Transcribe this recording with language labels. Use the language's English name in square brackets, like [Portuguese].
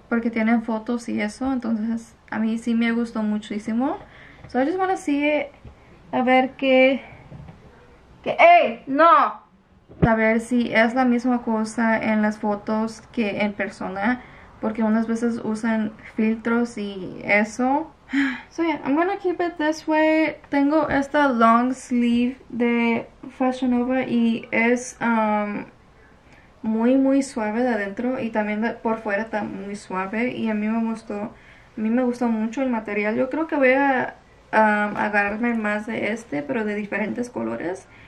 [Spanish] Porque tienen fotos y eso. Entonces a mí sí me gustó muchísimo. [English] So I just wanna see it, [Spanish] a ver qué. ¡Ey! ¡No! A ver si es la misma cosa en las fotos que en persona, porque unas veces usan filtros y eso. [English] So yeah, I'm gonna keep it this way. [Spanish] Tengo esta long sleeve de Fashion Nova y es muy muy suave de adentro y también por fuera está muy suave. Y a mí me gustó, a mí me gustó mucho el material. Yo creo que voy a agarrarme más de este, pero de diferentes colores.